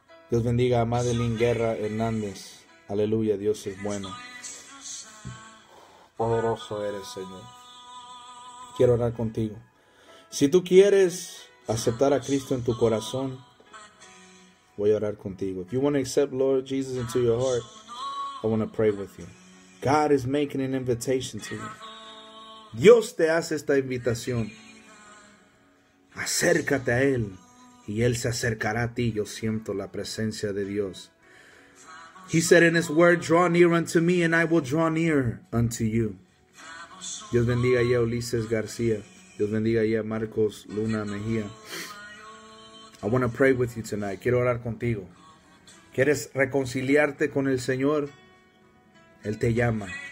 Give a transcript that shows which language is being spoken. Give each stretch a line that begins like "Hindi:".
Spanish: Dios bendiga a Madeline Guerra Hernández. Aleluya, Dios es bueno. Poderoso eres, Señor. Quiero orar contigo. Si tú quieres aceptar a Cristo en tu corazón, voy a orar contigo.
English: If you want to accept Lord Jesus into your heart, I want to pray with you. God is making an invitation to you.
Spanish: Dios te hace esta invitación. Acércate a Él y Él se acercará a ti. Yo siento la presencia de Dios.
English: He said in His word, draw near unto me and I will draw near unto you.
Spanish: Dios bendiga ahí a Ulises García. Dios bendiga ahí a Marcos Luna Mejía.
English: I want to pray with you tonight.
Spanish: Quiero orar contigo. ¿Quieres reconciliarte con el Señor? Él te llama.